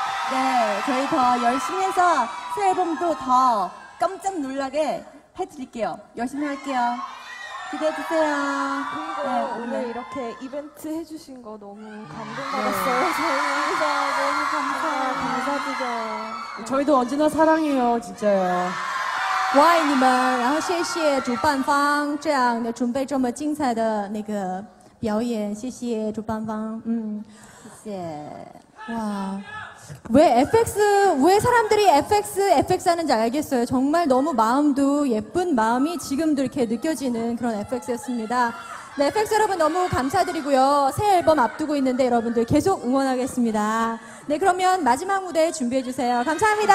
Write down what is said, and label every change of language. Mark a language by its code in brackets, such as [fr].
[ko] 네, 저희 더 열심히 해서 새 앨범도 더 깜짝 놀라게 해드릴게요. 열심히 할게요. 기대해주세요. 네, 오늘 이렇게 이벤트 해주신 거 너무 감동받았어요. 네. 저희가 너무 감사해요. 감사드려요. 저희도 언제나 사랑해요, 진짜요. [zh] 와이你们，然后谢谢主办方这样的准备这么精彩的那个表演，谢谢主办方，嗯，谢谢。哇。 [ko] 왜 FX, 왜 사람들이 FX 하는지 알겠어요. 정말 너무 마음도 예쁜 마음이 지금도 이렇게 느껴지는 그런 FX였습니다. 네, FX 여러분 너무 감사드리고요. 새 앨범 앞두고 있는데 여러분들 계속 응원하겠습니다. 네, 그러면 마지막 무대 준비해주세요. 감사합니다.